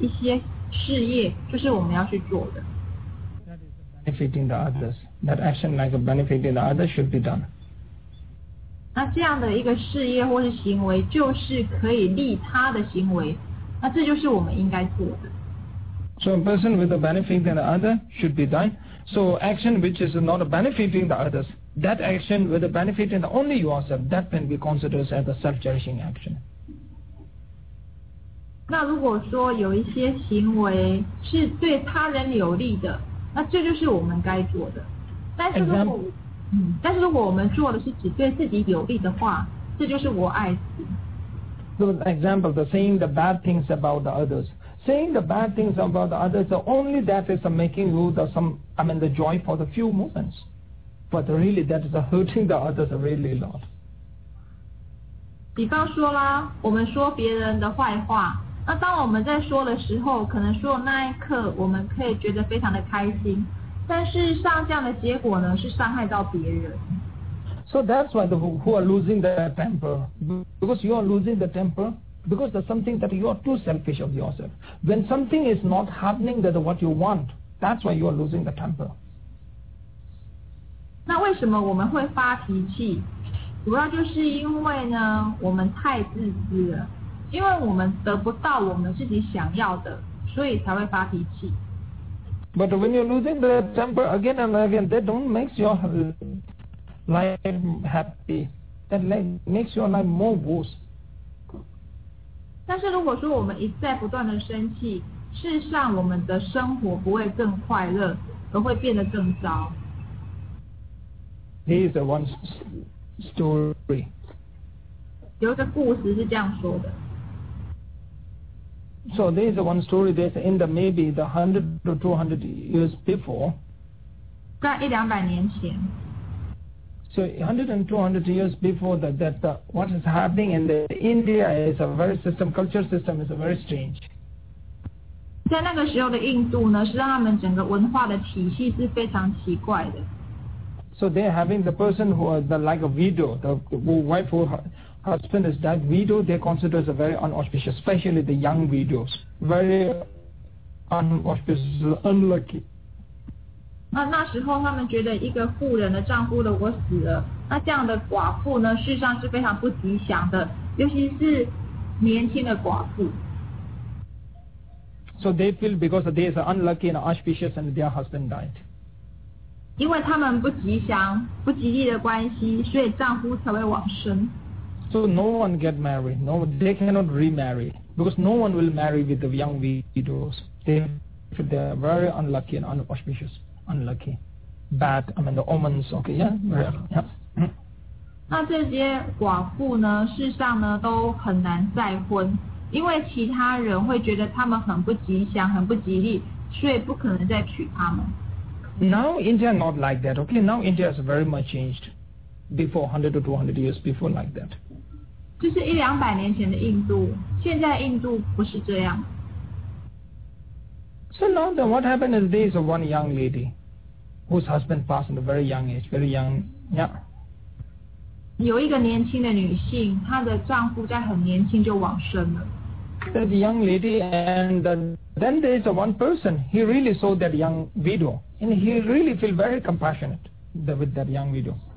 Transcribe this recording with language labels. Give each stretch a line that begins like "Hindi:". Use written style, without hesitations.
Chinese: 对，这边这个重点是非常重要的啊，就是所有佛陀呢会觉得开心的，佛陀所赞扬的一些事业，就是我们要去做的。
English: That is benefiting the others. That action like benefiting the others should be done.
Chinese: 那这样的一个事业或是行为就是可以利他的行为，那这就是我们应该做的。
English: So a person with a benefiting the other should be done. So action which is not a benefiting the others, that action with a benefiting only yourself, that can be considered as a self-cherishing action.
Chinese: 那如果说有一些行为是对他人有利的，那这就是我们该做的。但是如果我们做的是只对自己有利的话，这就是我爱。
English: So example, the saying the bad things about the others. saying the bad things about the others, only that is making you the joy for the few moments. But really, that is hurting the others really a lot.
Chinese: 比方说啦，我们说别人的坏话，那当我们在说的时候，可能说那一刻我们可以觉得非常的开心，但事实上这样的结果呢，是伤害到别人。
English: So that's why who are losing their temper, because you are losing the temper, because there's something that you are too selfish of yourself. When something is not happening that what you want, that's why you are losing the temper.
Chinese: 那为什么我们会发脾气？主要就是因为呢，我们太自私了，因为我们得不到我们自己想要的，所以才会发脾气。
English: But when you're losing the temper again and again, that don't make your life happy. That makes your life more worse.
Chinese: 但是如果说我们一再不断的生气，事实上我们的生活不会更快乐，而会变得更糟。
English: He is the one. Story.
Chinese: 有一个故事是这样说的。
English: So there is one story that's in the maybe the 100 or 200 years before.
Chinese: 在一两百年前。
English: So 100 and 200 years before that what is happening in the India is a very system, culture system is very strange.
Chinese: 在那个时候的印度呢，是让他们整个文化的体系是非常奇怪的。
English: So they are having the person who is like a widow, the wife or husband is that widow, they consider as a very unauspicious, especially the young widows, very unauspicious, unlucky.
Chinese: 那时候他们觉得一个妇人的丈夫的我死了，那这样的寡妇呢，事实上是非常不吉祥的，尤其是年轻的寡妇。
English: So they feel because they are unlucky and auspicious and their husband died.
Chinese: 因为他们不吉祥、不吉利的关系，所以丈夫才会往生。
English: So no one get married. No, they cannot remarry because no one will marry with the young widows. They are very unlucky and unauspicious, unlucky, bad. I mean the omens. Okay, yeah.
Chinese: 那这些寡妇呢，事实上呢都很难再婚，因为其他人会觉得他们很不吉祥、很不吉利，所以不可能再娶他们。
English: Now India not like that, okay? Now India is very much changed before 100 or 200 years before like that.
Chinese: 这是一两百年前的印度，现在印度不是这样。
English: So now then what happened is there is one young lady whose husband passed in a very young age, very young, yeah.
Chinese: 有一个年轻的女性，她的丈夫在很年轻就往生了。
English: That young lady and then there is one person, he really saw that young widow and he really feel very compassionate with that young widow.